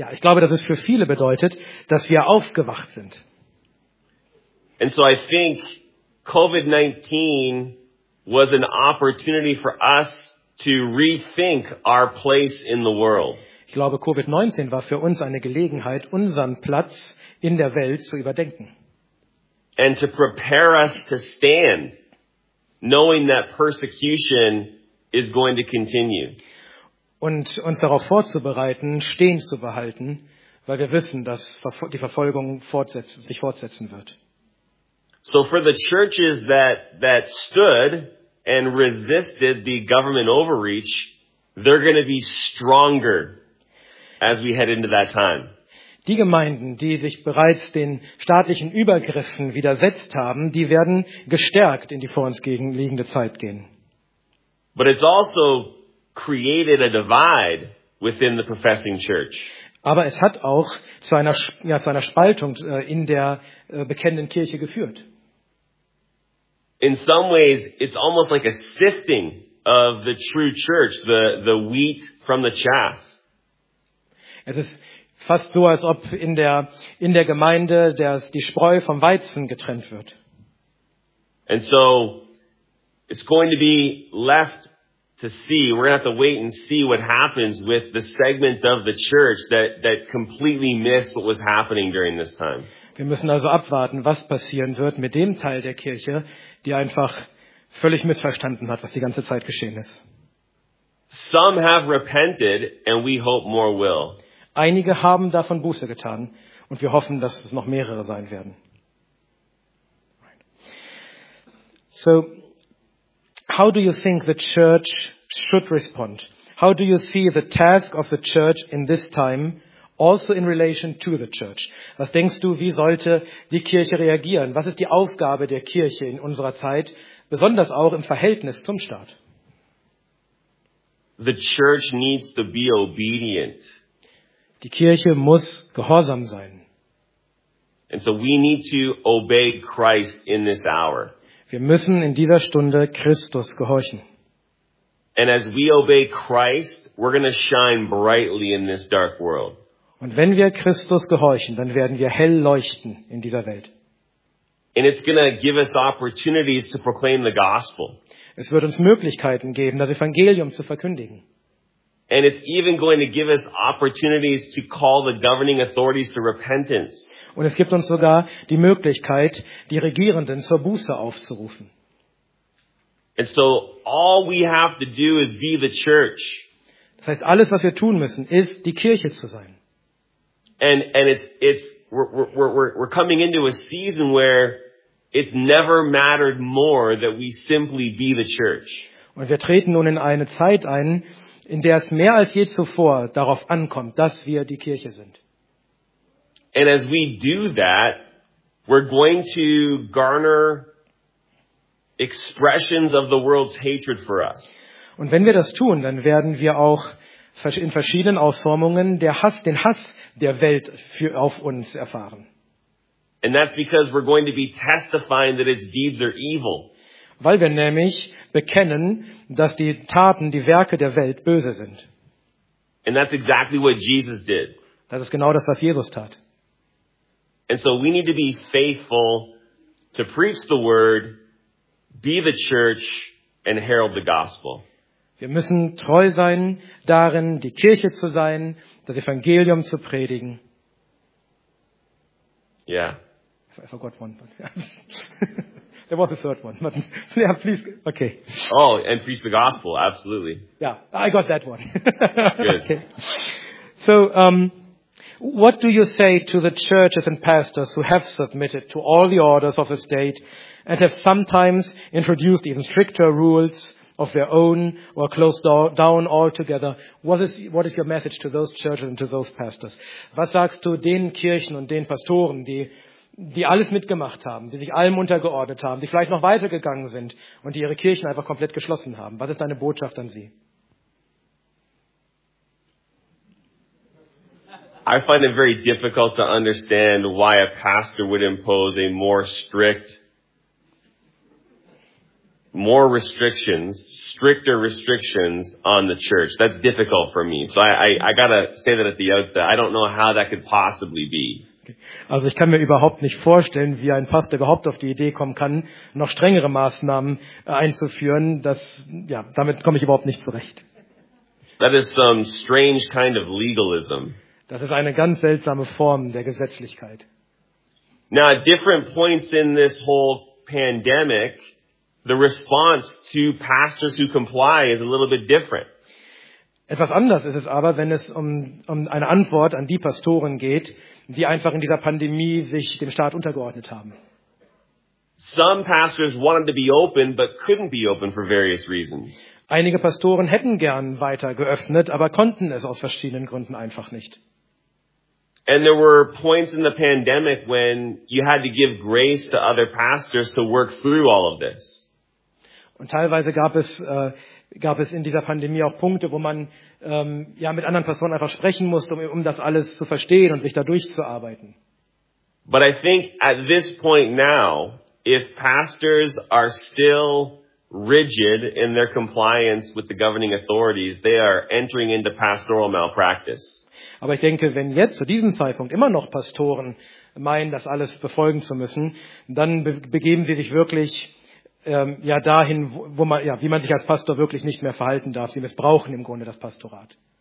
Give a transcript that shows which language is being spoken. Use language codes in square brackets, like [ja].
[de] Also ich glaube, dass es für viele bedeutet, dass wir aufgewacht sind. [en] And so I think COVID-19 was an opportunity for us to rethink our place in the world. [de] Ich glaube, COVID-19 war für uns eine Gelegenheit, unseren Platz in der Welt zu überdenken. [en] And to prepare us to stand, knowing that persecution is going to continue. [de] Und uns darauf vorzubereiten, stehen zu behalten, weil wir wissen, dass die Verfolgung sich fortsetzen wird. [en] So for the churches that stood and resisted the government overreach, they're going to be stronger as we head into that time. [de] Die Gemeinden, die sich bereits den staatlichen Übergriffen widersetzt haben, die werden gestärkt in die vor uns liegende Zeit gehen. [en] But it's also created a divide within the professing church. [de] Aber es hat auch zu einer Spaltung in der bekennenden Kirche geführt. [en] In some ways it's almost like a sifting of the true church, the wheat from the chaff. [de] Es ist fast so, als ob in der Gemeinde die Spreu vom Weizen getrennt wird. [en] And so it's going to be left to see, we're going to have to wait and see what happens with the segment of the church that completely missed what was happening during this time. [de] Wir müssen also abwarten, was passieren wird mit dem Teil der Kirche, die einfach völlig missverstanden hat, was die ganze Zeit geschehen ist. [en] Some have repented and we hope more will. [de] Einige haben davon Buße getan und wir hoffen, dass es noch mehrere sein werden. [en] So, how do you think the church should respond? How do you see the task of the church in this time, also in relation to the church? [de] Was denkst du, wie sollte die Kirche reagieren? Was ist die Aufgabe der Kirche in unserer Zeit, besonders auch im Verhältnis zum Staat? [en] The church needs to be obedient. [de] Die Kirche muss gehorsam sein. [en] And so we need to obey Christ in this hour. [de] Wir müssen in dieser Stunde Christus gehorchen. [en] And as we obey Christ, we're going to shine brightly in this dark world. [de] Und wenn wir Christus gehorchen, dann werden wir hell leuchten in dieser Welt. [en] And it's going to give us opportunities to proclaim the gospel. [de] Es wird uns Möglichkeiten geben, das Evangelium zu verkündigen. [en] And it's even going to give us opportunities to call the governing authorities to repentance. [de] Und es gibt uns sogar die Möglichkeit, die Regierenden zur Buße aufzurufen. [en] And so all we have to do is be the church. [de] Das heißt, alles, was wir tun müssen, ist die Kirche zu sein. [en] And it's we're coming into a season where it's never mattered more that we simply be the church. [de] Und wir treten nun in eine Zeit ein, in der es mehr als je zuvor darauf ankommt, dass wir die Kirche sind. [en] And as we do that, we're going to garner expressions of the world's hatred for us. [de] Und wenn wir das tun, dann werden wir auch in verschiedenen Ausformungen den Hass der Welt auf uns erfahren. [en] And that's because we're going to be testifying that its deeds are evil. [de] Weil wir nämlich bekennen, dass die Taten, die Werke der Welt böse sind. [en] And that's exactly what Jesus did. [de] Das ist genau das, was Jesus tat. [en] And so we need to be faithful to preach the word, be the church and herald the gospel. [de] Wir müssen treu sein darin, die Kirche zu sein, das Evangelium zu predigen. [en] Yeah. I forgot one, but there was a third one, but yeah, please, okay. Oh, and preach the gospel, absolutely. Yeah, I got that one. Good. Okay. So, what do you say to the churches and pastors who have submitted to all the orders of the state and have sometimes introduced even stricter rules of their own or closed down altogether? What is your message to those churches and to those pastors? [de] Was sagst du den Kirchen und den Pastoren, die alles mitgemacht haben, die sich allem untergeordnet haben, die vielleicht noch weitergegangen sind und die ihre Kirchen einfach komplett geschlossen haben? Was ist deine Botschaft an sie? [en] I find it very difficult to understand why a pastor would impose a more strict, more restrictions, stricter restrictions on the church. That's difficult for me. So I gotta say that at the outset. I don't know how that could possibly be. [de] Also ich kann mir überhaupt nicht vorstellen, wie ein Pastor überhaupt auf die Idee kommen kann, noch strengere Maßnahmen einzuführen. Das, ja, damit komme ich überhaupt nicht zurecht. [en] That is some strange kind of legalism. [de] Das ist eine ganz seltsame Form der Gesetzlichkeit. [en] Now, at different points in this whole pandemic, the response to pastors who comply is a little bit different. [de] Etwas anders ist es aber, wenn es um eine Antwort an die Pastoren geht, die einfach in dieser Pandemie sich dem Staat untergeordnet haben. [en] Some pastors wanted to be open, but couldn't be open for various reasons. [de] Einige Pastoren hätten gern weiter geöffnet, aber konnten es aus verschiedenen Gründen einfach nicht. [en] And there were points in the pandemic when you had to give grace to other pastors to work through all of this. [de] Und teilweise gab es in dieser Pandemie auch Punkte, wo man mit anderen Personen einfach sprechen musste, um das alles zu verstehen und sich da durchzuarbeiten. [en] But I think at this point now, if pastors are still rigid in their compliance with the governing authorities, they are entering into pastoral malpractice. [de] Aber ich denke, wenn jetzt zu diesem Zeitpunkt immer noch Pastoren meinen, das alles befolgen zu müssen, dann begeben sie sich wirklich dahin, wie man sich als Pastor wirklich nicht mehr verhalten darf. Sie missbrauchen im Grunde das Pastorat.